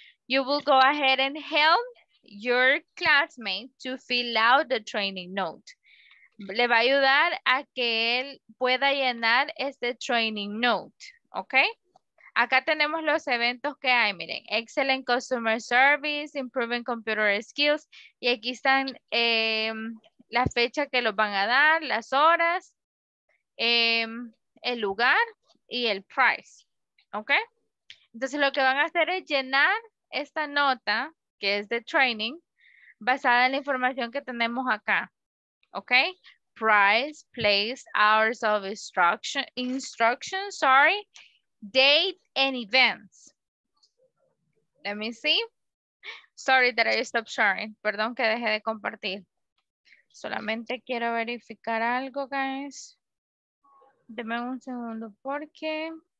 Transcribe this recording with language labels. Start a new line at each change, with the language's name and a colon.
English: You will go ahead and help your classmate to fill out the training note.
Spanish: Le va a ayudar a que él pueda llenar este training note, okay? Acá tenemos los eventos que hay, miren.
English: Excellent customer service, improving computer skills.
Spanish: Y aquí están la fecha que los van a dar, las horas, el lugar y el price. ¿Ok? Entonces lo que van a hacer es llenar esta nota, que es de training, basada en la información que tenemos acá. ¿Ok?
English: Price, place, hours of instruction, sorry, date and events. Let me see. Sorry that I stopped sharing.
Spanish: Perdón que dejé de compartir. Solamente quiero verificar algo, guys. Deme un segundo porque...